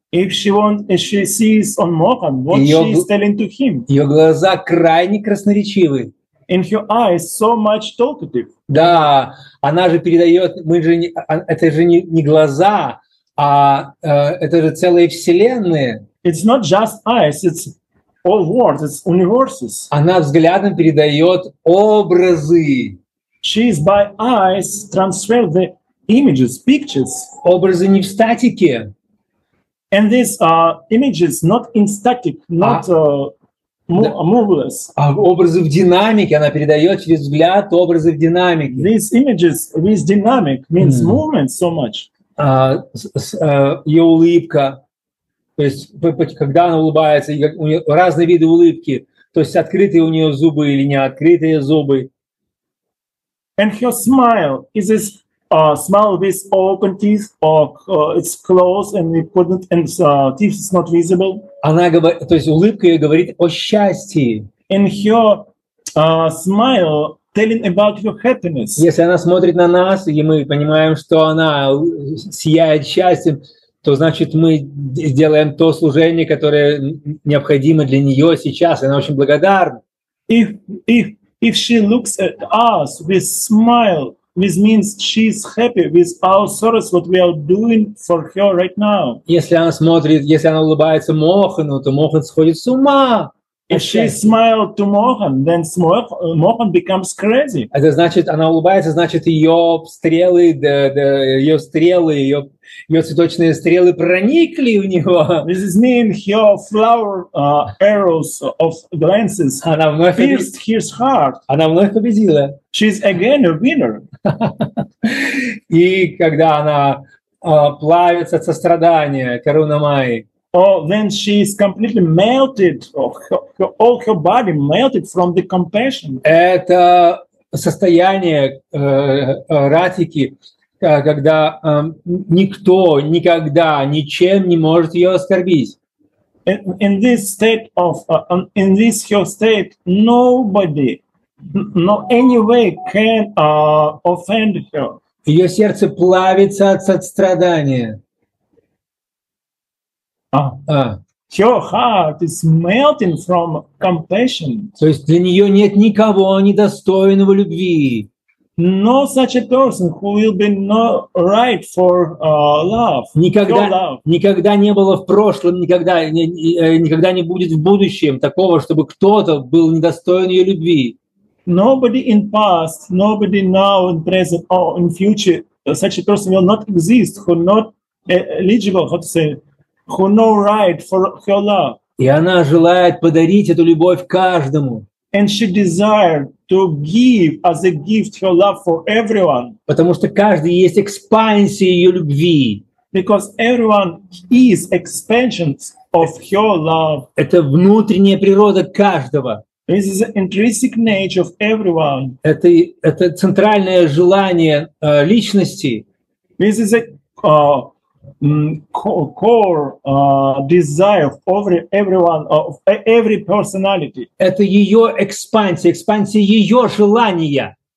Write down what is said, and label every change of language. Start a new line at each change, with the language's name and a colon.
English: If she wants, she sees on Mohan, what she is telling to him?
Russian: Ее глаза крайне красноречивы.
English: In her eyes, so much talkative.
Russian: Да, она же передает, мы же не, это же не глаза, а это же целые вселенные.
English: It's not just eyes, it's all worlds, it's universes.
Russian: Она взглядом передает образы.
English: She is by eyes transfer the images, pictures.
Russian: Образы не в статике.
English: And these images not in static, not moveless.
Russian: А образы в динамике она передает через взгляд образы в динамике.
English: These images with dynamic means movement so much.
Russian: Ее улыбка, то есть когда она улыбается, у нее разные виды улыбки, то есть открытые у нее зубы или не открытые зубы.
English: And her smile is this smile with open teeth or it's closed and we couldn't and teeth is not visible.
Russian: Она говорит, то есть улыбка ее говорит о счастье.
English: And her smile telling about your happiness.
Russian: Если она смотрит на нас, и мы понимаем, что она сияет счастьем, то значит мы делаем то служение, которое необходимо для нее сейчас. Она очень благодарна.
English: If she looks at us with smile, this means she's happy with our service, what we are doing for her right now.
Russian: Если она смотрит, если она улыбается Мохану, то Мохан сходит с ума.
English: If she smiles to Mohan, then Mohan becomes crazy.
Russian: Это значит, она улыбается, значит, ее цветочные стрелы проникли в него.
English: This is mean her flower arrows of glances pierced his heart.
Russian: Она вновь победила.
English: She's again a winner.
Russian: И когда она плавится от сострадания, Каруна Майи,
English: oh, then she is completely melted, all her body melted from the compassion.
Russian: Это состояние Ратики, когда никто никогда ничем не может ее оскорбить.
English: In this her state, nobody, no any way can offend her.
Russian: Ее сердце плавится от сострадания.
English: Her heart is melting from compassion.
Russian: То есть для нее нет никого недостойного любви.
English: No such a person who will be not right for love.
Russian: Никогда,
English: your love.
Russian: Никогда не было в прошлом, никогда не будет в будущем такого, чтобы кто-то был недостоин ее любви.
English: Nobody in past, nobody now, in present or in future, such a person will not exist who not eligible, how to say, who know right for her love.
Russian: И она желает подарить эту любовь каждому.
English: And she desired to give as a gift her love for everyone.
Russian: Потому что каждый есть экспансия ее любви.
English: Because everyone is expansion of her love.
Russian: Это внутренняя природа каждого.
English: This is the intrinsic nature of everyone.
Russian: Это центральное желание личности.
English: This is a core desire of everyone, of every personality.
Russian: Это ее экспансия ее желания.